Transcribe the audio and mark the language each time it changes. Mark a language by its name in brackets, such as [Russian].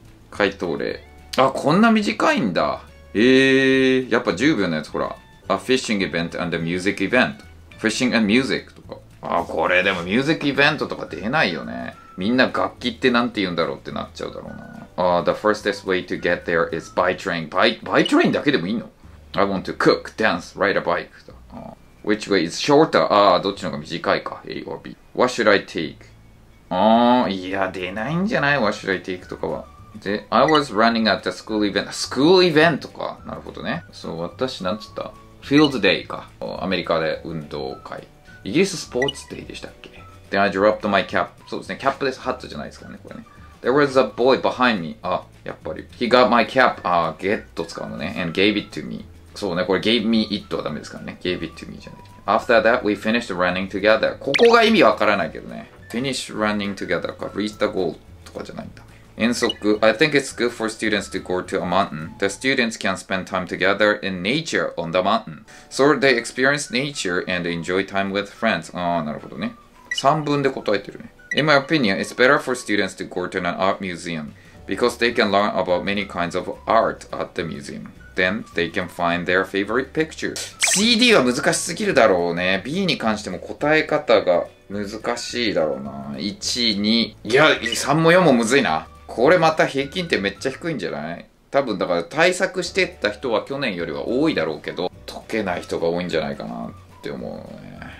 [Japanese] 回答例。あ、こんな短いんだ。やっぱ10秒のやつ、ほら。 [English] A fishing event and a music event.Fishing and music [Japanese] とかあ、これでもミュージックイベントとか出ないよね。みんな楽器ってなんて言うんだろうってなっちゃうだろうな。 [English] The fastest way to get there is by train. By train [Japanese] だけでもいいの？ [English] I want to cook, dance, ride a bike. Which way is shorter? [Japanese] どっちの方が短いか。 [English] A or B. What should I take? [Japanese] いや、出ないんじゃない？ [English] What should I take とかは。で、I was running at the school event. [Japanese] School event とか。なるほどね。そう、私なんつった？Field Day か。アメリカで運動会。イギリススポーツデーでしたっけ？ [English] Then I dropped my cap. [Japanese] そうですね。キャップです。ハットじゃないですかね、これね。 [English] There was a boy behind me. [Japanese] やっぱり。 [English] He got my cap. get [Japanese] 使うのね。 [English] And gave it to me. [Japanese] そうね、これ [English] gave me it [Japanese] はダメですからね。 [English] gave it to me [Japanese] じゃない。 [English] After that, we finished running together. [Japanese] ここが意味わからないけどね。 [English] Finish running together [Japanese] か。 [English] Reach the goal [Japanese] とかじゃないんだ。遠足。 [English] I think it's good for students to go to a mountain. The students can spend time together in nature on the mountain. So they experience nature and enjoy time with friends. [Japanese] なるほどね。3文で答えてるね。 [English] In my opinion, it's better for students to go to an art museum because they can learn about many kinds of art at the museum. Then they can find their favorite picture. [Japanese] CD は難しすぎるだろうね。B に関しても答え方が難しいだろうな。 1、2、いや、3も4もむずいな。これまた平均点めっちゃ低いんじゃない？多分だから対策してた人は去年よりは多いだろうけど、解けない人が多いんじゃないかなって思うね。